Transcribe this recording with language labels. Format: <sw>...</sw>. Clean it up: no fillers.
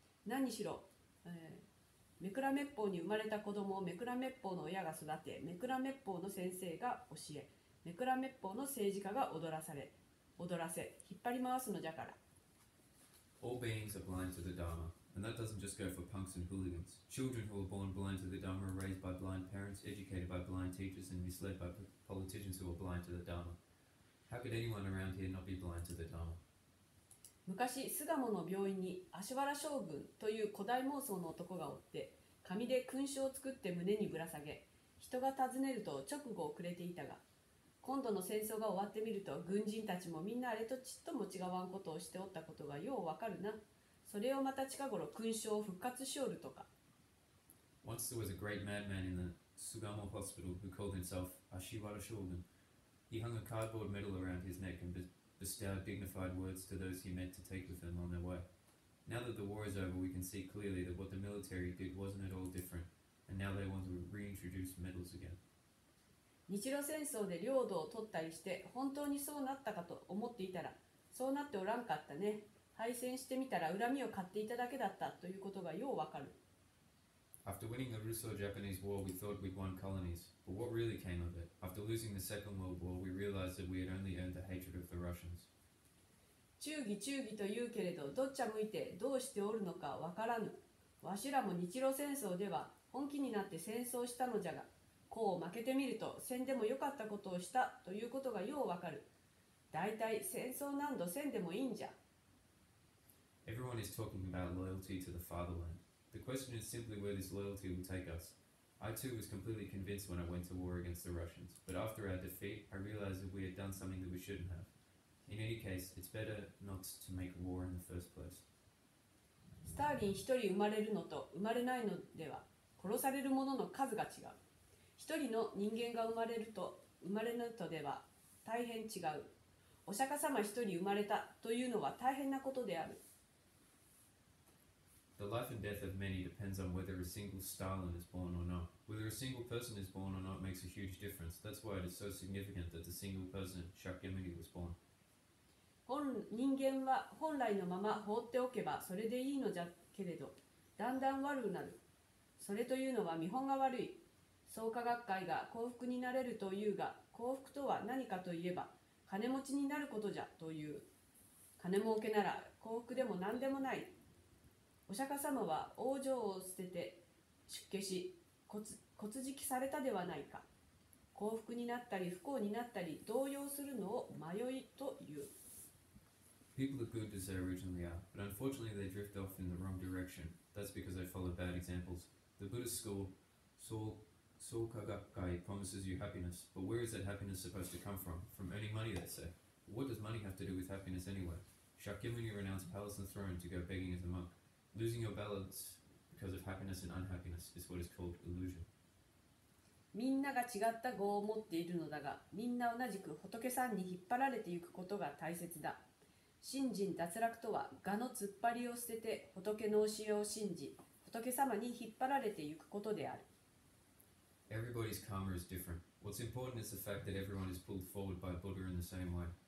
<ja>何にしろ、めくらめっぽに生まれた子供をめくらめっぽの親が育て、めくらめっぽの先生が教え、めくらめっぽの政治家が踊らされ、踊らせ、引っ張り回すのじゃから。</ja> <en>All beings are blind to the Dharma, and that doesn't just go for punks and hooligans. Children who are born blind to the Dharma are raised by blind parents, educated by blind teachers, and misled by politicians who are blind to the Dharma. How could anyone around here not be blind to the Dharma?</en> <ja>昔、巣鴨の病院に足原将軍という古代妄想の男がおって、紙で勲章を作って胸にぶら下げ、人が尋ねると直後遅れていたが、今度の戦争が終わってみると、軍人たちもみんなあれとちっとも違わんことをしておったことがようわかるな。それをまた近頃勲章を復活しおるとか。</ja> <en>Once there was a great madman in the Sugamo Hospital who called himself 足原将軍。 He hung a cardboard medal around his neck and bestowed dignified words to those he meant to take with him on their way. Now that the war is over, we can see clearly that what the military did wasn't at all different, and now they want to reintroduce medals again.</en> <ja>日露戦争で領土を取ったりして、本当にそうなったかと思っていたら、そうなっておらんかったね。敗戦してみたら恨みを買っていただけだったということがようわかる。</ja> <en>After winning the Russo-Japanese War, we thought we'd won colonies. But what really came of it? After losing the Second World War, we realized that we had only earned the hatred of the Russians.</en> <ja>忠義忠義と言うけれど、どっちゃ向いてどうしておるのかわからぬ。わしらも日露戦争では本気になって戦争したのじゃが、こう負けてみると戦でも良かったことをしたということがようわかる。大体戦争何度戦でもいいんじゃ。</ja> <en>Everyone is talking about loyalty to the fatherland. The question is simply where this loyalty will take us. I too was completely convinced when I went to war against the Russians, but after our defeat, I realized that we had done something that we shouldn't have. In any case, it's better not to make war in the first place.</en> <ja>スターリン一人生まれるのと生まれないのでは、殺されるものの数が違う。一人の人間が生まれると生まれないとでは大変違う。お釈迦様一人生まれたというのは大変なことである。</ja> <en>The life and death of many depends on whether a single Stalin is born or not. Whether a single person is born or not makes a huge difference. That's why it is so significant that the single person, Shakyamuni, was born.</en> <ja>人間は本来のまま放っておけばそれでいいのじゃけれど、だんだん悪くなる。それというのは見本が悪い。創価学会が幸福になれるというが、幸福とは何かといえば、金持ちになることじゃという。金儲けなら幸福でも何でもない。お釈迦様は王女を捨てて出家し、骨敷きされたではないか。幸福になったり不幸になったり動揺するのを迷いという。</ja> <en>People are good as they originally are, but unfortunately they drift off in the wrong direction. That's because they follow bad examples. The Buddhist school, Sōkagakkai, promises you happiness, but where is that happiness supposed to come from? From earning money, they say. What does money have to do with happiness anyway? Shakyamuni renounced palace and throne to go begging as a monk. Losing your balance because of happiness and unhappiness is what is called illusion.</en> <ja>みんなが違った業を持っているのだが、みんな同じく仏さんに引っ張られていくことが大切だ。信心脱落とは、我の突っ張りを捨てて仏の教えを信じ、仏様に引っ張られていくことである。</ja> <en>Everybody's karma is different. What's important is the fact that everyone is pulled forward by Buddha in the same way.</en>